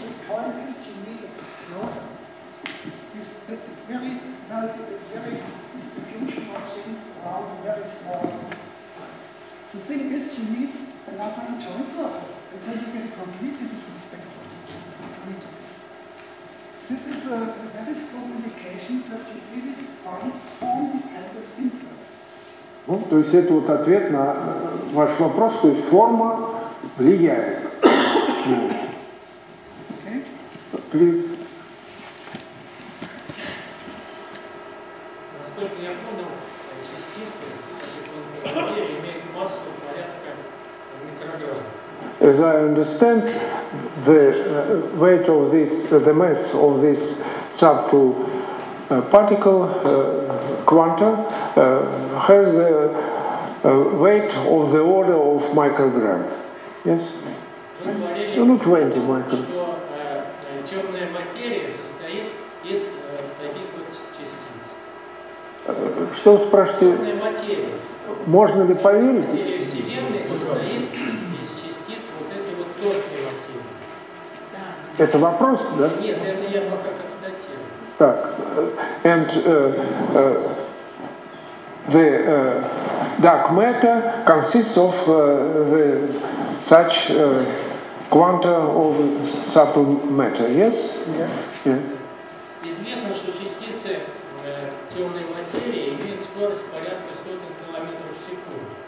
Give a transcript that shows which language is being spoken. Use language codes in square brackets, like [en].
[en] The point is you need a powder with a very melted, very distribution of things around very small. The thing is you need another internal surface until you get a completely different spectrum. This is a very strong indication that you really find form-dependent influences. [ru] Ну, то есть это вот ответ на ваш вопрос, то есть форма влияет. [en] Okay. Please. As I understand, the weight of this, the mass of this subtle particle, quanta, has a weight of the order of microgram. Yes? [ru] Ну, 20 microgram. Темная материя состоит из таких вот частиц. Что вы спрашиваете? Темная материя. Можно ли поверить? Материя Вселенной. состоит из частиц вот этой вот тонкой материи. Это вопрос, да? Нет, это я пока констатирую. Так, [en] and the dark matter consists of the such quanta of subtle matter, yes? Yeah. [ru] Известно, что частицы темной материи имеют скорость порядка сотен километров в секунду.